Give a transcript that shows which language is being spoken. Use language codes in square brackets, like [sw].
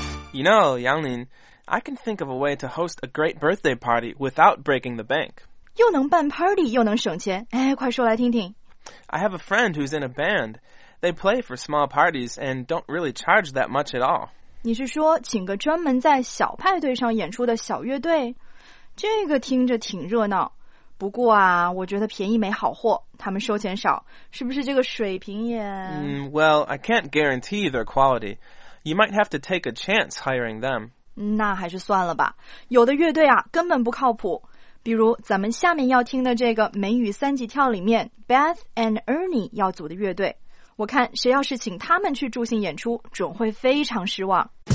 [en] You know, Yangning, I can think of a way to host a great birthday party without breaking the bank. [zh] 又能办 party 又能省钱，哎，快说来听听。 [en] I have a friend who's in a band. They play for small parties and don't really charge that much at all. [zh] 你是说请个专门在小派对上演出的小乐队？这个听着挺热闹。不过啊，我觉得便宜没好货，他们收钱少，是不是这个水平也？ [en] Well, I can't guarantee their quality. You might have to take a chance hiring them. [zh] 那还是算了吧，有的乐队啊，根本不靠谱。比如咱们下面要听的这个美语三级跳里面 Beth and Ernie 要组的乐队，我看谁要是请他们去助兴演出准会非常失望。